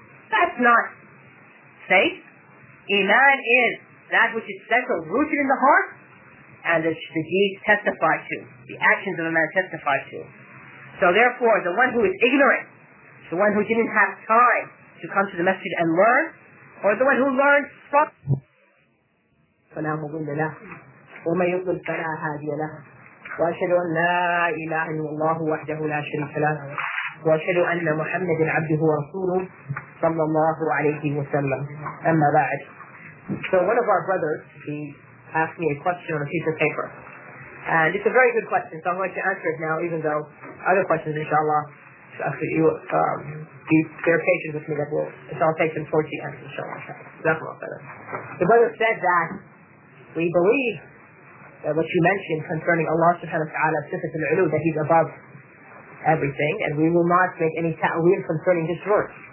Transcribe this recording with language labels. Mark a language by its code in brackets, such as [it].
[en] That's not faith. Iman is that which is settled, rooted in the heart, and the deeds testify to, the actions of a man testify to. So therefore, the one who is ignorant, the one who didn't have time to come to the masjid and learn, or the one who learned from... [ar] فلا مضل له ومن يضلل فلا هادي له واشهد ان لا اله الا الله وحده لا شريك له واشهد ان محمدا عبده ورسوله صلى الله عليه وسلم اما بعد. [en] So one of our brothers, he asked me a question on a piece of paper, and it's a very good question, so I'm going to answer it now, even though other questions inshallah you be bear patience with me, that will inshallah take them towards the end inshallah. The brother said that we believe that what you mentioned concerning Allah subhanahu wa ta'ala sifat al-ulu, that he's above everything, and we will not make any ta'wil concerning this verse.